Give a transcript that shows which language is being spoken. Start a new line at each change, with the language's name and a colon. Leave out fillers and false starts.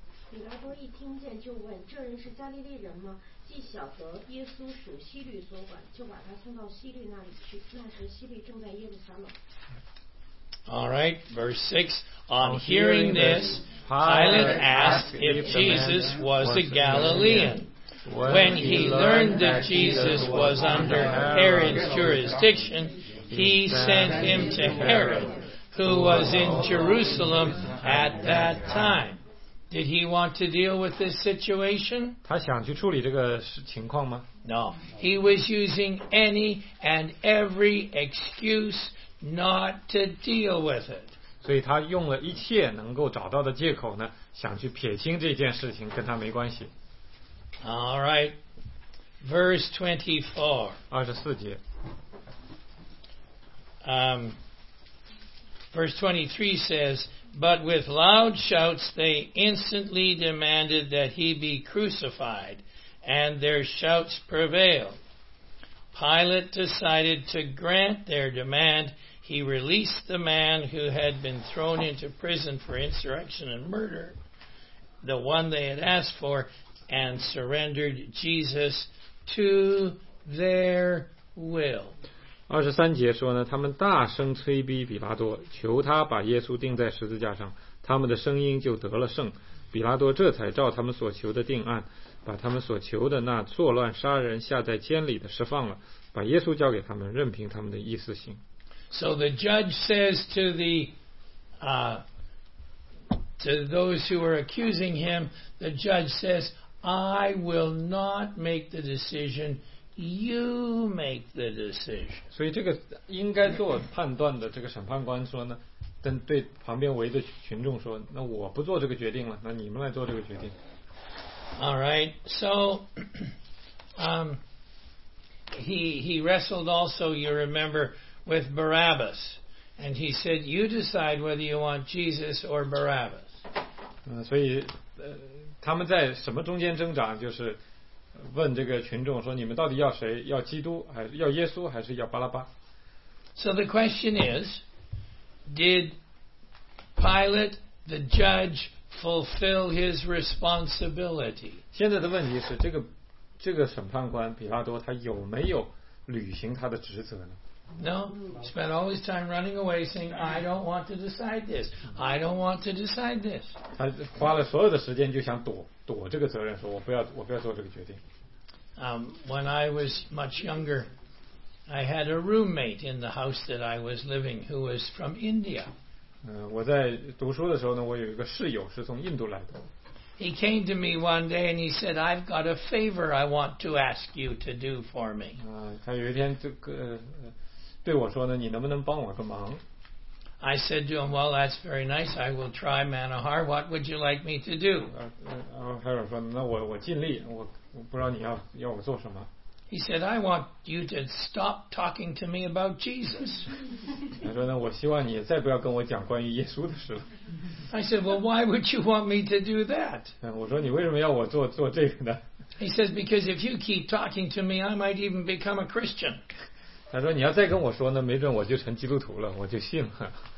Chinese: 比拉多一听见就问，这人是加利利人吗？既晓得耶稣属西律所管，就把他送到西律那里去。那时西律正在耶路撒冷。
English: All right, verse 6. On hearing this, Pilate asked if Jesus was a Galilean. When he learned that Jesus was under Herod's jurisdiction, he sent him to Herod, who was in Jerusalem at that time. Did he want to deal with this situation?
Chinese: 他想去处理这个情况吗？
English: No. He was using any and every excuse not to deal with it.
Chinese: 所以他用了一切能够找到的借口呢，想去撇清这件事情，跟他没关系。
English: All right. Verse 24.
Chinese: 二十四节。
English: Verse 23 says, But with loud shouts they instantly demanded that he be crucified, and their shouts prevailed. Pilate decided to grant their demand. He released the man who had been thrown into prison for insurrection and murder, the one they had asked for, and surrendered Jesus to their will.
Chinese: 二十三节说呢，他们大声催逼比拉多，求他把耶稣钉在十字架上，他们的声音就得了胜。比拉多这才照他们所求的定案，把他们所求的那作乱杀人下在监里的释放了，把耶稣交给他们，任凭他们的意思行。
English: So the judge says to those who are accusing him, the judge says, I will not make the decision, you make the decision.
Chinese: 所以这个应该做判断的这个审判官说呢，跟对旁边围的群众说，那我不做这个决定了，那你们来做这个决定。
English: All right. So, he wrestled also, you remember, with Barabbas. And he said, you decide whether you want Jesus or Barabbas.
Chinese: 所以他们在什么中间挣扎，就是问这个群众说，你们到底要谁，要基督还是要耶稣还是要巴拉巴。
English: So the question is, did Pilate the judge fulfill his responsibility?
Chinese: 现在的问题是，这个审判官比拉多，他有没有履行他的职责呢？
English: No, he spent all his time running away saying, I don't want to decide this. I don't want to decide this.
Chinese: 他花了所有的时间就想躲这个责任，说我不要做这个决定。
English: When I was much younger, I had a roommate in the house that I was living who was from India.
Chinese: 我在读书的时候呢，我有一个室友是从印度来的。
English: He came to me one day and he said, I've got a favor I want to ask you to do for me.
Chinese: 他有一天对我说呢，你能不能帮我个忙？
English: I said to him, well, that's very nice. I will try, Manohar. What would you like me to do?
Chinese: 海尔说，那我尽力，我不知道你要我做什么。
English: He said, I want you to stop talking to me about Jesus.
Chinese: 他说呢，我希望你再不要跟我讲关于耶稣的事了。
English: I said, well, why would you want me to do that?
Chinese: 我说你为什么要我做这个呢？
English: He says, because if you keep talking to me, I might even become a Christian.
Chinese: 他说你要再跟我说呢，没准我就成基督徒了，我就信了。